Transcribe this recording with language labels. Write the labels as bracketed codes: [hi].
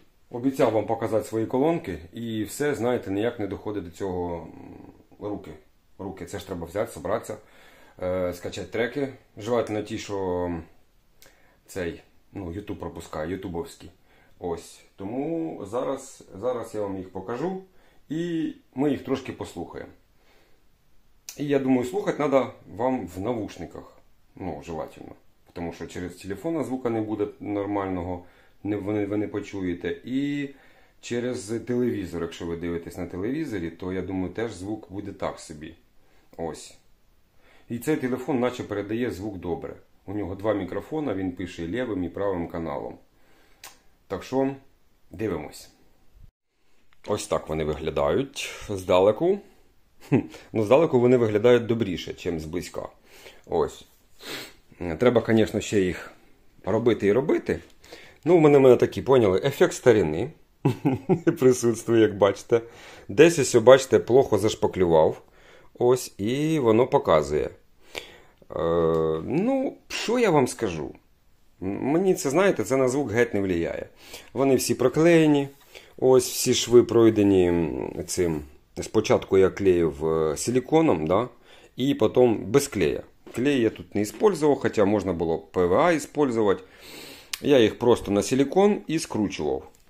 [uk] Обіцяв вам показати свої колонки. І все, знаєте, ніяк не доходить до цього руки. Руки. Це ж треба взяти, собратися, скачати треки. Желательно ті, що цей, ну, YouTube пропускає, ютубовський. Ось. Тому зараз я вам їх покажу. І ми їх трошки послухаємо. [ru] И я думаю, слухать надо вам в наушниках, ну, желательно. [uk] Тому що через телефон звука не буде нормального, ви не почуєте. І через телевізор, якщо ви дивитесь на телевізорі, то я думаю, теж звук буде так собі. Ось. І цей телефон наче передає звук добре. У нього два мікрофони, він пише лівим і правим каналом. Так що, дивимось. Ось так вони виглядають здалеку. Ну, здалеку вони виглядають добріше, ніж зблизька. Ось. Треба, звісно, ще їх робити і робити. Ну, у мене такі, поняли, ефект старини присутствує, як бачите. Десь ось, бачите, плохо зашпаклював. Ось, і воно показує. Ну, що я вам скажу? Мені це, знаєте, це на звук геть не впливає. Вони всі проклеєні. Ось, всі шви пройдені цим. Спочатку я клеїв силіконом, да? І потім без клея. [ru] Клей я тут не использовал, хотя можно было ПВА использовать. Я их просто на силикон и скручивал.